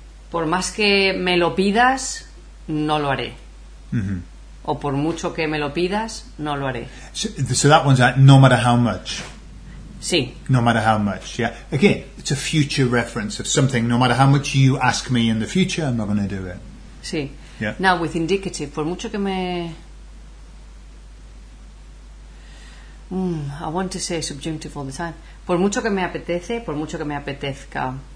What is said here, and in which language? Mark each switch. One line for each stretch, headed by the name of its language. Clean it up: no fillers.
Spanish: Por más que me lo pidas, no lo haré. Uh-huh. O por mucho que me lo pidas, no lo haré.
English: So that one's like, no matter how much.
Spanish: Sí.
English: No matter how much, yeah. Again, it's a future reference of something. No matter how much you ask me in the future, I'm not going to do it.
Spanish: Sí.
English: Yeah. Now, with indicative,
Spanish: por mucho que me...
English: I want to say subjunctive all the time.
Spanish: Por mucho que me apetece, por mucho que me apetezca.